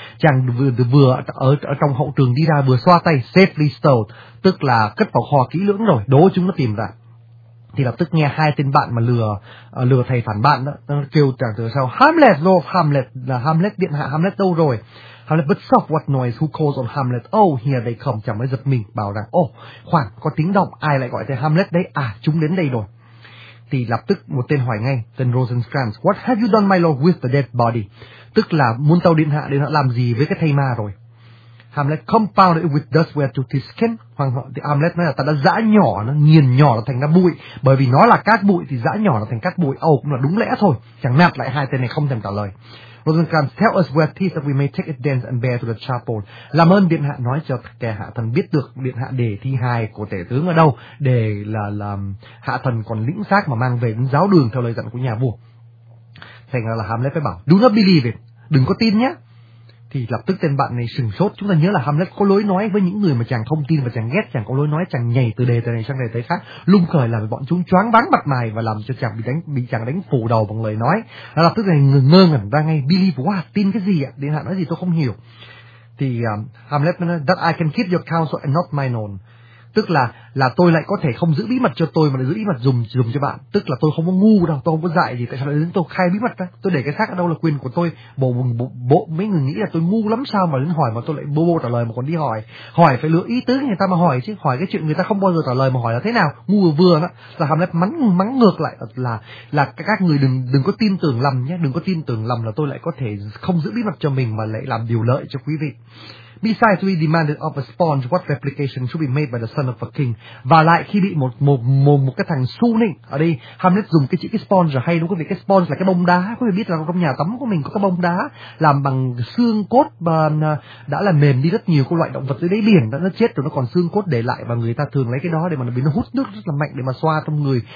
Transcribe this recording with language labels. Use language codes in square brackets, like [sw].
[vi] Chàng vừa ở trong hậu trường đi ra, vừa xoa tay [en] safely stowed, [vi] tức là cất vào kho kỹ lưỡng rồi, đố chúng nó tìm ra. Thì lập tức nghe hai tên bạn mà lừa thầy phản bạn đó, nó kêu chàng từ sau: "Hamlet, Lord Hamlet, là Hamlet điện hạ, Hamlet đâu rồi?" [en] "Hamlet, but soft, what noise, who calls on Hamlet?" "Oh, here they come." [vi] Chàng mới giật mình, bảo rằng: "Oh, khoan, có tiếng động, ai lại gọi thầy Hamlet đấy? À, chúng đến đây rồi." Thì lập tức một tên hỏi ngay, tên [en] Rosencrantz: "What have you done, my lord, with the dead body?" [vi] Tức là muốn tao điện hạ làm gì với cái thây ma rồi. [en] Hamlet: "Compound it with dust where to tis skin." [vi] Hoàng hậu thì Hamlet nói là ta đã giã nhỏ nó, nghiền nhỏ nó thành ra bụi, bởi vì nó là cát bụi thì giã nhỏ nó thành cát bụi. Âu cũng là đúng lẽ thôi. Chàng nạt lại hai tên này không thèm trả lời. [en] Rosencrantz: "Tell us where tis that we may take it thence and bear to the chapel." [vi] Làm ơn điện hạ nói cho kẻ hạ thần biết được điện hạ để thi hài của tể tướng ở đâu, để là làm hạ thần còn lĩnh xác mà mang về đến giáo đường theo lời dặn của nhà vua. Thành ra là Hamlet phải bảo: [en] "Do not believe it." [vi] Đừng có tin nhé. thì lập tức tên bạn này sửng sốt. Chúng ta nhớ là Hamlet có lối nói với những người mà chàng thông tin và chàng ghét, chàng có lối nói, chàng nhảy từ đề tài này sang đề tài khác, lung khởi là bọn chúng choáng váng mặt mày và làm cho chàng bị chàng đánh phủ đầu bằng lời nói. Là lập tức này người ngơ ngẩn ra ngay, [en] believe what, [vi] tin cái gì ạ? Điện hạ nói gì tôi không hiểu. Thì Hamlet nói [en] that I can keep your counsel and not mine own, [vi] tức là tôi lại có thể không giữ bí mật cho tôi mà lại giữ bí mật dùm cho bạn, tức là tôi không có ngu đâu, tôi không có dại gì, tại sao lại đến tôi khai bí mật ra, tôi để cái xác ở đâu là quyền của tôi. Bộ mấy người nghĩ là tôi ngu lắm sao mà đến hỏi mà tôi lại bô trả lời mà còn đi hỏi phải lựa ý tứ người ta mà hỏi chứ, hỏi cái chuyện người ta không bao giờ trả lời mà hỏi là thế nào, ngu vừa đó. Là Hamlet mắng ngược lại là các người đừng có tin tưởng lầm nhé, đừng có tin tưởng lầm là tôi lại có thể không giữ bí mật cho mình mà lại làm điều lợi cho quý vị. [en] Besides, we demanded of a sponge what replication should be made by the son of a king. [vi] Và lại khi bị một cái thằng su ninh, ở đây Hamlet dùng cái chữ cái sponge hay đúng không quý vị? Cái sponge là cái bông đá, quý vị biết là trong nhà tắm của mình có cái bông đá làm bằng xương cốt và đã là mềm đi rất nhiều, các loại động vật dưới đáy biển đã nó chết rồi, nó còn xương cốt để lại và người ta thường lấy cái đó để mà nó hút nước rất là mạnh để mà xoa trong người.